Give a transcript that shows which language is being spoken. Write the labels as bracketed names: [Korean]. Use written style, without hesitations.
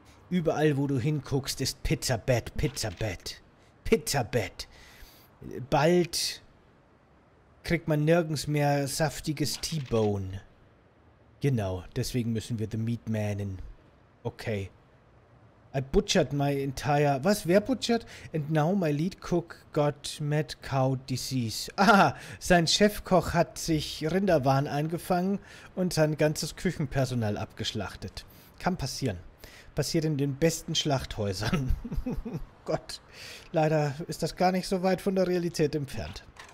[German] Überall, wo du hinguckst, ist Pizza-Bett, Pizza-Bett, Pizza-Bett. Bald kriegt man nirgends mehr saftiges T-Bone. Genau, deswegen müssen wir The Meat Manen. [English] Okay. I butchered my entire... [German] Was, wer butchert? [English] And now my lead cook got mad cow disease. [German] Ah, sein Chefkoch hat sich Rinderwahn eingefangen und sein ganzes Küchenpersonal abgeschlachtet. Kann passieren. Passiert in den besten Schlachthäusern. Gott, leider ist das gar nicht so weit von der Realität entfernt.